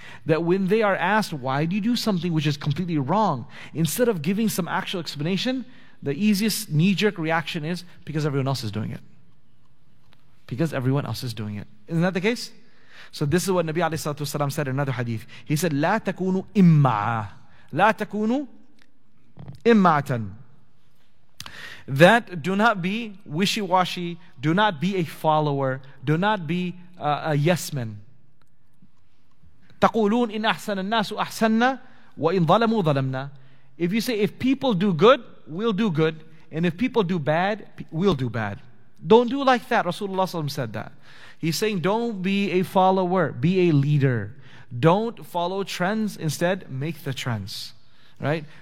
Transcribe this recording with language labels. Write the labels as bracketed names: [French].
[English] That when they are asked, why do you do something which is completely wrong? Instead of giving some actual explanation, the easiest knee-jerk reaction is because everyone else is doing it. Because everyone else is doing it. Isn't that the case? So this is what Nabi alayhi salatu wasalam said in another hadith. He said, [Arabic] لا تكونوا إمعة. لا تكونوا إمعة. [English] That do not be wishy-washy, do not be a follower, do not be a yes-man. [Arabic] تقولون إن أحسن الناس أحسننا وإن ظلموا ظلمنا. [English] If you say, if people do good, we'll do good. And if people do bad, we'll do bad. Don't do like that. Rasulullah said that. He's saying, don't be a follower. Be a leader. Don't follow trends. Instead, make the trends. Right?